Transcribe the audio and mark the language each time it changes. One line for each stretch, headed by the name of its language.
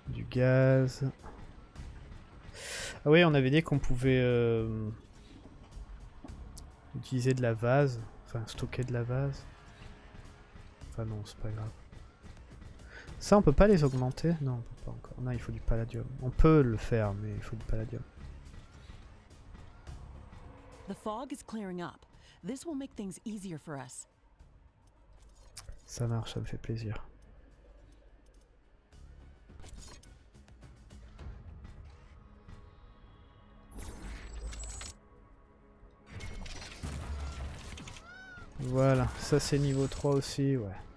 French: Gaz. Ah oui, on avait dit qu'on pouvait utiliser de la vase, enfin stocker de la vase. Enfin non, c'est pas grave. Ça, on peut pas les augmenter? Non, on peut pas encore. Non, il faut du palladium. On peut le faire, mais il faut du palladium.
English: The fog is clearing up. This will make things easier for us.
French: Ça marche, ça me fait plaisir. Voilà, ça c'est niveau 3 aussi, ouais.